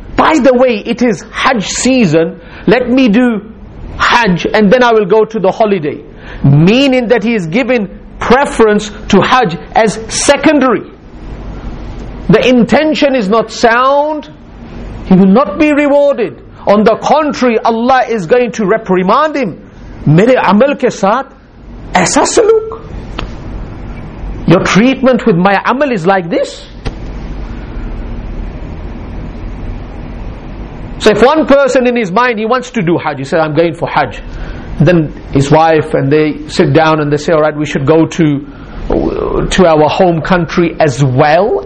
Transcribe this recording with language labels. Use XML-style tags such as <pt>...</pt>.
<en>By the way, it is Hajj season. Let me do Hajj and then I will go to the holiday. Meaning that he is given preference to Hajj as secondary. The intention is not sound. He will not be rewarded. On the contrary, Allah is going to reprimand him.</en> <ur>میرے عمل کے ساتھ ایسا سلوک۔</ur> <en>Your treatment with my amal is like this. So if one person in his mind, he wants to do Hajj, he said, I'm going for Hajj. Then his wife and they sit down and they say, alright, we should go to our home country as well.</en>